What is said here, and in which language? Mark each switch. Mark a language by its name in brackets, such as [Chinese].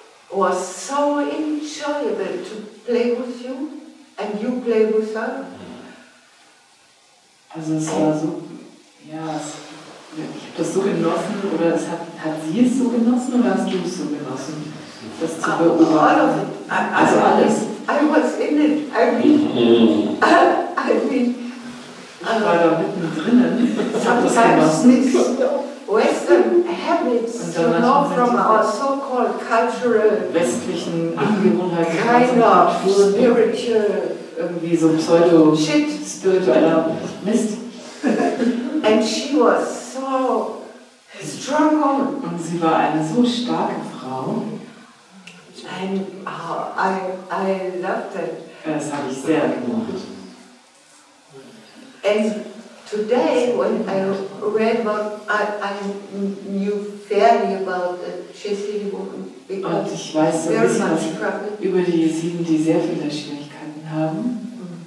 [English] was so enjoyable to play with you, and you play with her. [German] Also es war so, ja, es, ich habe das so genossen, oder es hat sie es so genossen, oder hast du es so genossen? Das zu beobachten. [English] All of it. [German] Also alles. [English] I was in it. I mean. [German] Ich war da mittendrin. [English] Sometimes Western habits know from our so-called cultural [German] westlichen Angewohnheiten, [English] kind of spiritual [German] irgendwie so pseudo [English] shit [German] spiritueller Mist. [English] And she was so strong woman. [German] Und sie war eine so starke Frau. [English] And I loved it. [German] Das habe ich sehr gemocht. [English] And today, when I read about, I knew fairly about the Jesidic woman. [German] Und ich weiß so ein bisschen über die Jesiden, die sehr viele Schwierigkeiten haben.